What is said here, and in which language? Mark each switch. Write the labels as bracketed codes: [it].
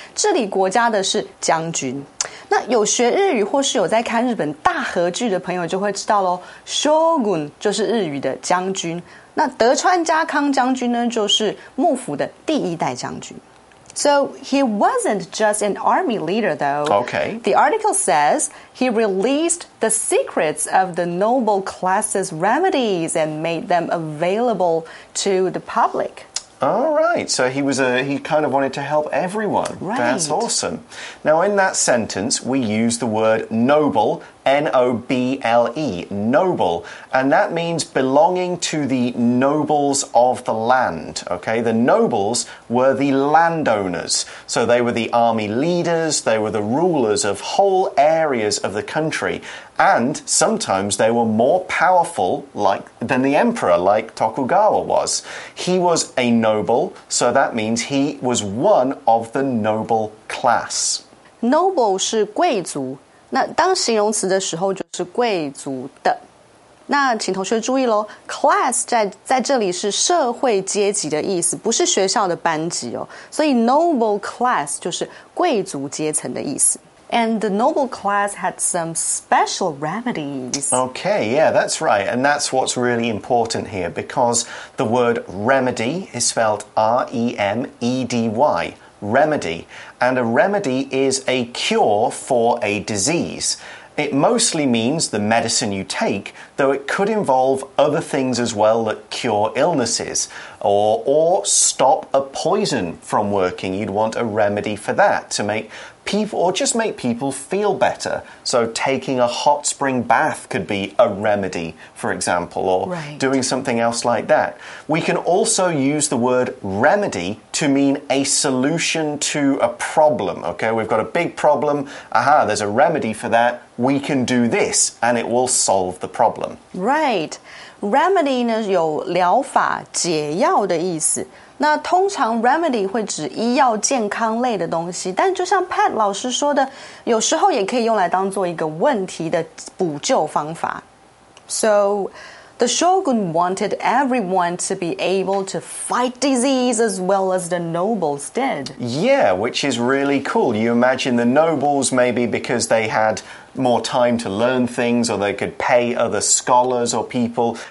[zh] 治理国家的是将军。那有学日语或是有在看日本大和剧的朋友就会知道咯 Shogun 就是日语的将军，那德川家康将军呢就是幕府的第一代将军。 [en] So he wasn't just an army leader though. Okay. The article says he released the secrets of the noble class's remedies and made them available to the public. All right, so he kind of wanted to help everyone. Right. That's awesome. Now, in that sentence, we use the word noble, N-O-B-L-E, noble. And that means belonging to the nobles of the land, okay? The nobles were the landowners. So they were the army leaders, they were the rulers of whole areas of the country. And sometimes they were more powerful than the emperor, like Tokugawa was. He was a noble, so that means he was one of the noble class. [zh] Noble 是贵族，那当形容词的时候就是贵族的。那请同学注意咯 class 在这里是社会阶级的意思，不是学校的班级哦。所以 noble class 就是贵族阶层的意思。 [en] And the noble class had some special remedies. Okay, yeah, that's right. And that's what's really important here, because the word remedy is spelled R-E-M-E-D-Y, remedy. And a remedy is a cure for a disease. It mostly means the medicine you take, though it could involve other things as well that cure illnesses, or stop a poison from working. You'd want a remedy for that to make... people, or just make people feel better. So taking a hot spring bath could be a remedy, for example, or doing something else like that. We can also use the word remedy to mean a solution to a problem. Okay, we've got a big problem. Aha, there's a remedy for that. We can do this, and it will solve the problem. [zh] Right. Remedy 呢有疗法、解药的意思。那通常 remedy 会指医药健康类的东西，但就像 Pat 老师说的，有时候也可以用来当做一个问题的补救方法。 [en] So, the shogun wanted everyone to be able to fight disease as well as the nobles did. Yeah, which is really cool. You imagine the nobles maybe because they had... more time to learn things, or they could pay other scholars or people.